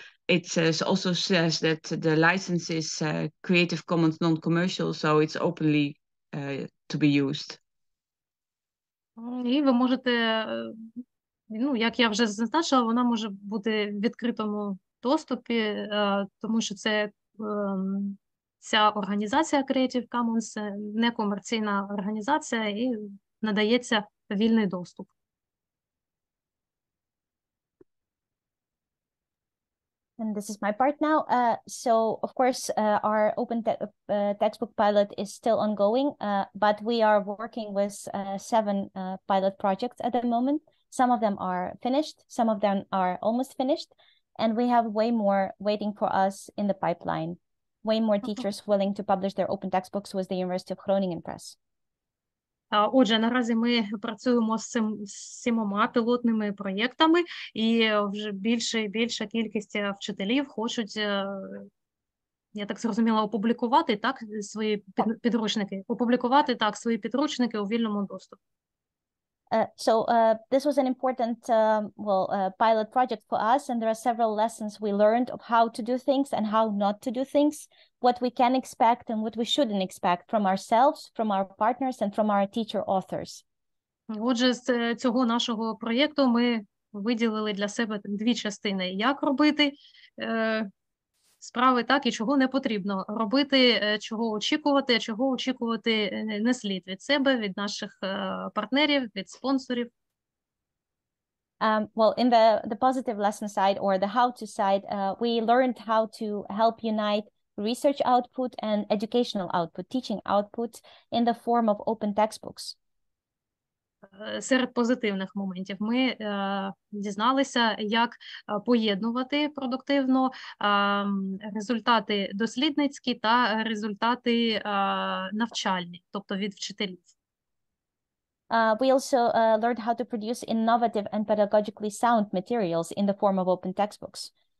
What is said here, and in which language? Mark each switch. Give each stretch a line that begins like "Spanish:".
English: It also says that the license is Creative Commons non-commercial, so it's openly to be used.
Ukrainian: І ви можете, ну, як я вже зазначила, вона може бути в відкритому доступі, тому що це ця організація Creative Commons, некомерційна організація, і надається вільний доступ.
English: And this is my part now. So, of course, our open textbook pilot is still ongoing, but we are working with seven pilot projects at the moment. Some of them are finished, some of them are almost finished, and we have way more waiting for us in the pipeline, way more teachers willing to publish their open textbooks with the University of Groningen Press.
Ukrainian: Отже, наразі ми працюємо з сімома пілотними проєктами, і вже більше і більша кількість вчителів хочуть, я так зрозуміла, опублікувати так свої підручники, опублікувати так свої підручники у вільному доступі.
English: So this was an important pilot project for us, and there are several lessons we learned of how to do things and how not to do things, what we can expect and what we shouldn't expect from ourselves, from our partners and from our teacher authors.
Ukrainian: Отже, з цього нашого проєкту ми виділили для себе дві частини: як робити справи так і чого не потрібно робити, чого очікувати, а чого очікувати не слід від себе, від наших партнерів, від спонсорів.
English: In the positive lesson side or the how to side, we learned how to help unite research output and educational output, teaching output in the form of open textbooks.
Ukrainian: Серед позитивних моментів ми дізналися, як поєднувати продуктивно результати дослідницькі та результати навчальні, тобто від вчителів.
English: We also learned how to produce innovative and pedagogically sound materials in the form of open textbooks.